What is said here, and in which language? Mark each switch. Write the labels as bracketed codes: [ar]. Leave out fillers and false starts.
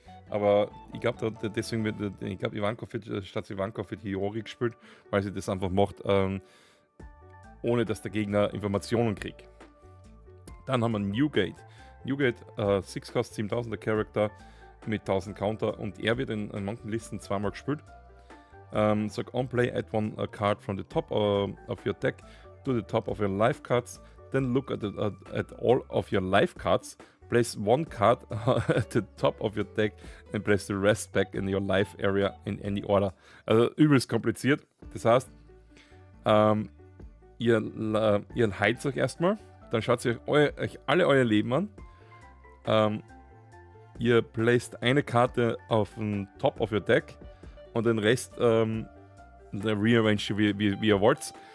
[de] Aber ich glaube, deswegen wird, ich glaube, Ivankov wird statt Ivankov wird Hiyori gespielt, weil sie das einfach macht, ohne dass der Gegner Informationen kriegt. Dann haben wir Newgate. Newgate, 6 cost, 7000er Character mit 1000 Counter und er wird in manchen Listen zweimal gespielt. [en] Sag, on play, add one a card from the top of your deck to the top of your life cards. Then look at all of your life cards, place one card at the top of your deck and place the rest back in your life area in any order. [de] Also übelst kompliziert. Das heißt, ihr heilt euch erstmal, dann schaut ihr euch alle euer Leben an. Ihr placed eine Karte auf den [en] top of your deck [de] und den Rest rearrange wie ihr wollt.